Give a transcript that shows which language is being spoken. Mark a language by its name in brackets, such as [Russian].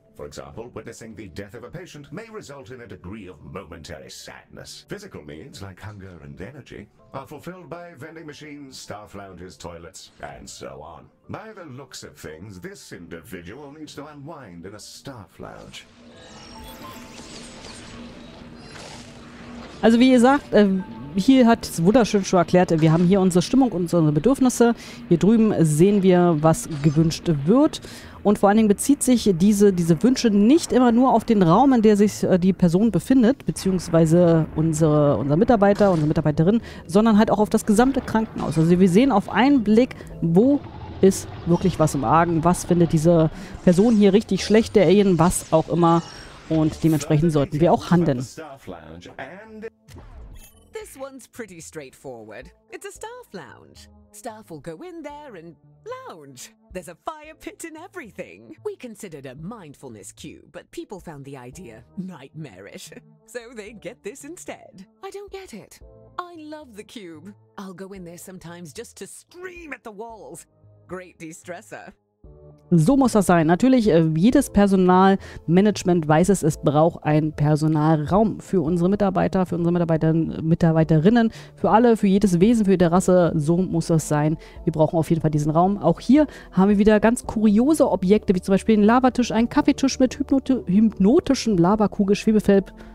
[English] For example, witnessing the death of a patient may result in a degree of momentary sadness. Physical needs, like hunger and energy, are fulfilled by vending machines, staff lounges, toilets, and so on. By the looks of things, this individual needs to unwind in a staff lounge. [German] Also wie ihr sagt, hier hat es wunderschön schon erklärt, wir haben hier unsere Stimmung und unsere Bedürfnisse. Hier drüben sehen wir, was gewünscht wird. Und vor allen Dingen bezieht sich diese Wünsche nicht immer nur auf den Raum, in der sich die Person befindet, beziehungsweise unser Mitarbeiter, unsere Mitarbeiterin, sondern halt auch auf das gesamte Krankenhaus. Also wir sehen auf einen Blick, wo ist wirklich was im Argen, was findet diese Person hier richtig schlecht, der Alien, was auch immer. Und dementsprechend sollten wir auch handeln. [English] This one's pretty straightforward. It's a staff lounge. Staff will go in there and lounge. There's a fire pit and everything. We considered a mindfulness cue, but people found the idea nightmarish. So they get this instead. I don't get it. I love the cube. I'll go in there sometimes just to scream at the walls. Great de-stressor. [German] So muss das sein. Natürlich, jedes Personalmanagement weiß es, es braucht einen Personalraum für unsere Mitarbeiter, für unsere Mitarbeiterinnen, für alle, für jedes Wesen, für jede Rasse. So muss das sein. Wir brauchen auf jeden Fall diesen Raum. Auch hier haben wir wieder ganz kuriose Objekte, wie zum Beispiel einen Lavatisch, einen Kaffeetisch mit hypnotischem Lavakugelschwebefeld.